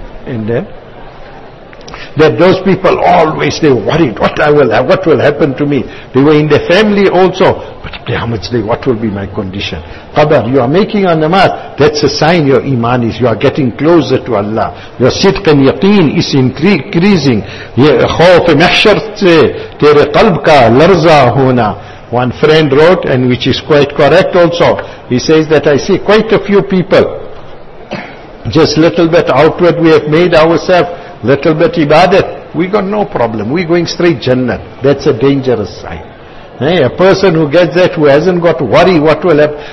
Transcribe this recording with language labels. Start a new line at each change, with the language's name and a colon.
English: And then, that those people always, they worried, what I will have, what will happen to me. They were in their family also, but how much they, what will be my condition? Qabar, you are making a namaz, that's a sign your iman is, you are getting closer to Allah. Your sidq and yaqeen is increasing.
Urdu: خوف محشر سے تیرے قلب کا لرزہ ہونا.
English: One friend wrote, and which is quite correct also, he says that I see quite a few people, just little bit outward we have made ourselves, little bit ibadat, we got no problem, we going straight Jannah. That's a dangerous sign. Hey, a person who gets that, who hasn't got worry, what will happen?